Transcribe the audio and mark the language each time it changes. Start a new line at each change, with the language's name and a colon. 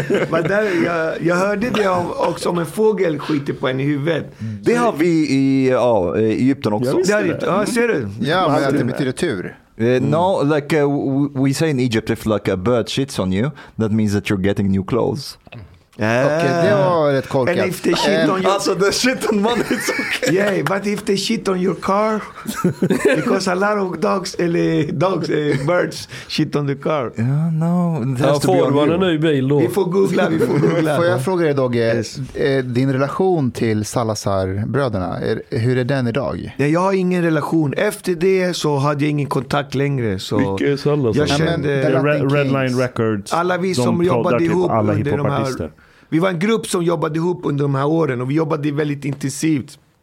Swedish: Men där jag hörde det också, om en fågel skiter på en i huvudet. Det har vi i Egypten också. Ser du? Ja, men det betyder tur.
English: No, like we say in Egypt, if like a bird shits on you, that means that you're getting new clothes.
Swedish: Okay, det var ett korkat.
English: And if they shit on your... Alltså, the shit on money is okay. Yeah, but if they shit on your car, because a lot of dogs,
Swedish: eller
English: dogs, birds shit on the car. Yeah, no.
Swedish: Får man en ny bil då? Vi får googla. Får jag fråga dig, Dogge, yes. Din relation till Salazar-bröderna, hur är den idag? Ja, jag har ingen relation. Efter det så hade jag ingen kontakt längre. Så vilket är Salazar? Jag kände... Redline Records. Alla vi som jobbade ihop under de här... Vi var en grupp som jobbade ihop under de här åren, och vi jobbade väldigt intensivt.